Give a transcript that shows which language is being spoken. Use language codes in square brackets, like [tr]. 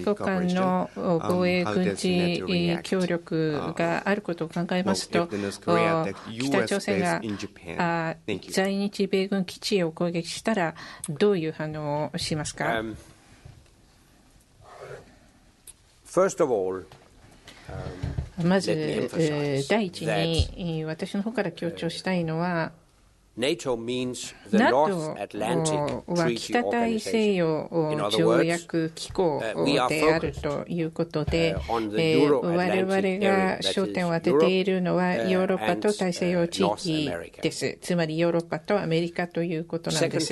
[ja] 国間の防衛軍事協力があることを考えますと、北朝鮮が在日米軍基地を攻撃したらどういう反応をしますか？ [en] First of all, [ja] まず第一に私の方から強調したいのは、 [en] NATO means the North Atlantic Treaty Organization. In other words, we are focused on the Euro-Atlantic area, that is Europe and North America. [ja] つまりヨーロッパとアメリカということなんです。